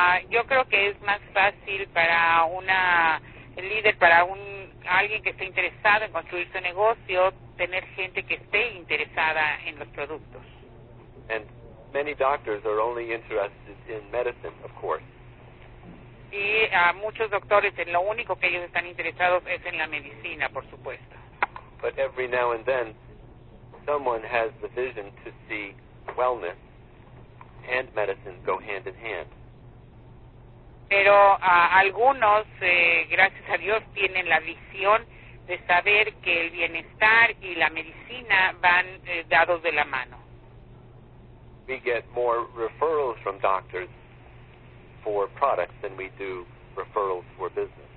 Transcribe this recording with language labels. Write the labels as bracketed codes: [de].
[es] Yo creo que es más fácil para una líder, para un alguien que esté interesado en construir su negocio, tener gente que esté interesada en los productos. [en] And many doctors are only interested in medicine, of course. [es] Y muchos doctores en lo único que ellos están interesados es en la medicina, por supuesto. [en] But every now and then, someone has the vision to see wellness and medicine go hand in hand. [es] Pero algunos, gracias a Dios, tienen la visión de saber que el bienestar y la medicina van dados de la mano. [en] We get more referrals from doctors for products than we do referrals for business.